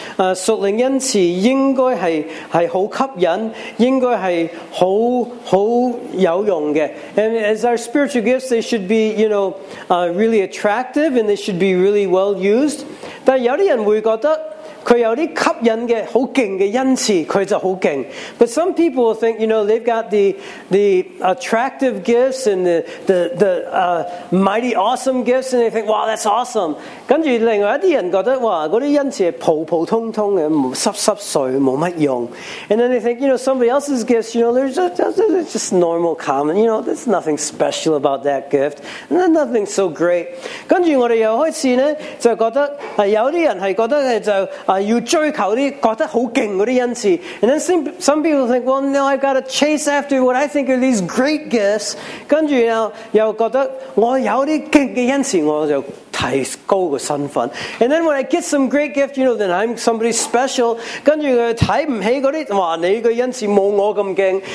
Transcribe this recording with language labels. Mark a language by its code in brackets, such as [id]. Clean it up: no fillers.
[yue] 屬靈恩賜應該係好吸引，應該係好有用嘅。 [en] And as our spiritual gifts, they should be, you know, really attractive, and they should be really well used. [yue] 但有啲人會覺得佢有啲吸引嘅好勁嘅恩賜，佢就好勁。 [en] But some people think, you know, they've got the attractive gifts and the mighty awesome gifts, and they think, wow, that's awesome. [yue] 跟住另外一啲人覺得，哇，嗰啲恩賜係普普通通嘅，濕濕碎，冇乜用。 [en] And then they think, you know, somebody else's gifts, you know, they're just normal, common. You know, there's nothing special about that gift. And then nothing so great. [yue] 跟住我哋又開始咧，就覺得有啲人係覺得咧就。要追求啲覺得好勁嗰啲恩賜。 [en] And then some people think, well, now I've got to chase after what I think are these great gifts. [yue] 跟住又覺得我有啲勁嘅恩賜，我就提高個身份。 [en] And then when I get some great gift, you know, then I'm somebody special. [yue] 跟住佢睇唔起嗰啲，哇，你個恩賜冇我咁勁。